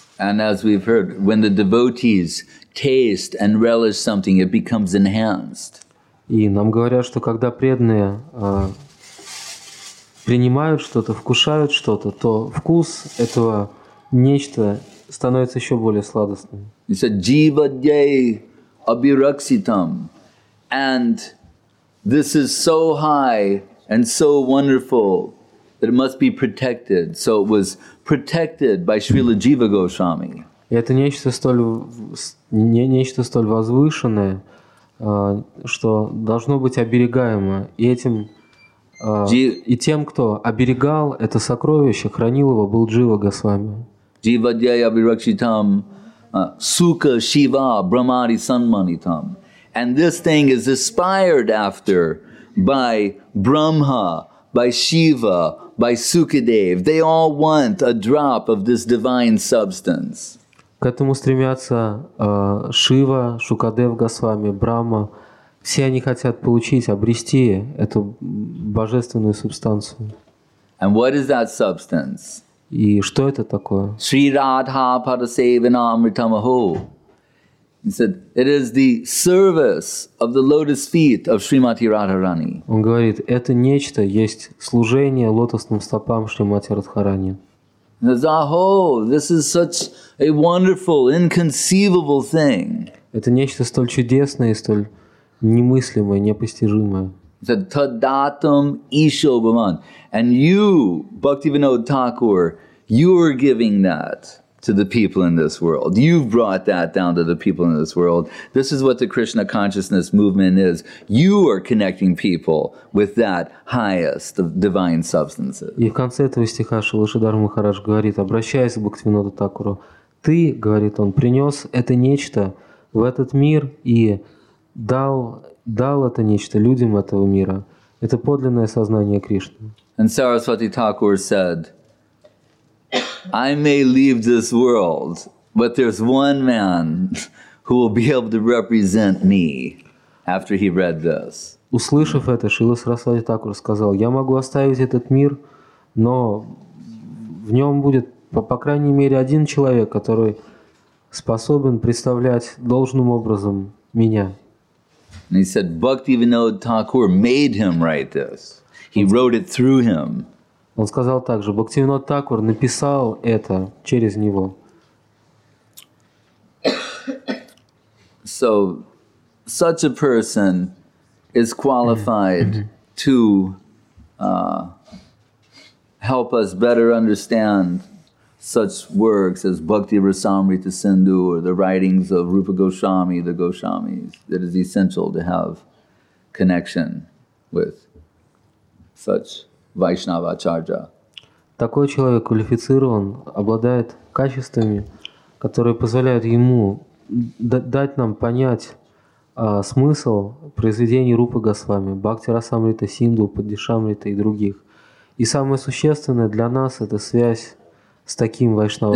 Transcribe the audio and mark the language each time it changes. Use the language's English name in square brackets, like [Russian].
[English] And as we've heard, when the devotees taste and relish something, it becomes enhanced. [Russian] И нам говорят, что когда преданные принимают что-то, вкушают что-то, то вкус этого нечто становится еще более сладостным. [English] He said, [Sanskrit] "Jivadyai abhiraksitam," [English] and this is so high and so wonderful that it must be protected. So it was protected by Srila Jiva Goswami. [Russian] Это нечто столь возвышенное, что должно быть оберегаемо и тем, кто оберегал это сокровище, хранил его, был Джива Госвами. [Sanskrit] Jivadyai abhirakshitam sukha shiva brahmari sanmanitam. [English] And this thing is aspired after by Brahma, by Shiva, by Sukadev. They all want a drop of this divine substance. [Russian] К этому стремятся Шива, Шукадев Госвами, Брахма. Все они хотят получить, обрести эту божественную субстанцию. [English] And what is that substance? [Russian] И что это такое? [Sanskrit] Sri Radha Padasevanamritam Aho. [English] He said, it is the service of the lotus feet of Srimati Radharani. [Russian] Он говорит, это нечто есть служение лотосным стопам Шримати Радхарани. [English] Zaho, this is such a wonderful, inconceivable thing. [Russian] Это нечто столь чудесное, столь немыслимое, непостижимое. [Sanskrit] The Tadatam Isho Bhavan. [English] And you, Bhaktivinoda Thakur, you are giving that to the people in this world. You've brought that down to the people in this world. This is what the Krishna consciousness movement is. You are connecting people with that highest of divine substances. [Russian] И в конце этого стиха Шиладхар Махарадж говорит, обращаясь к Бхактивинода Такуру, ты, говорит он, принес это нечто в этот мир и дал это нечто людям этого мира. Это подлинное сознание Кришны. [English] And Saraswati Thakur said, I may leave this world, but there's one man who will be able to represent me after he read this. [Russian] Услышав это, Шрила Сарасвати Такур сказал, я могу оставить этот мир, но в нем будет, по крайней мере, один человек, который способен представлять должным образом меня. [English] And he said, Bhaktivinoda Thakur made him write this. He wrote it through him. [Russian] Он сказал также, Бхактивинода Такур написал это через него. [English] So, such a person is qualified to help us better understand such works as Bhakti Rasamrita Sindhu or the writings of Rupa Goswami, the Goswamis. It is essential to have connection with such Vaishnava Acharya. [Russian] Такой человек квалифицирован, обладает качествами, которые позволяют ему дать нам понять смысл произведений Рупы Госвами, Бхакти Расамрита Синду, Падишамрита и других. И самое существенное для нас это связь с таким Вайшнава.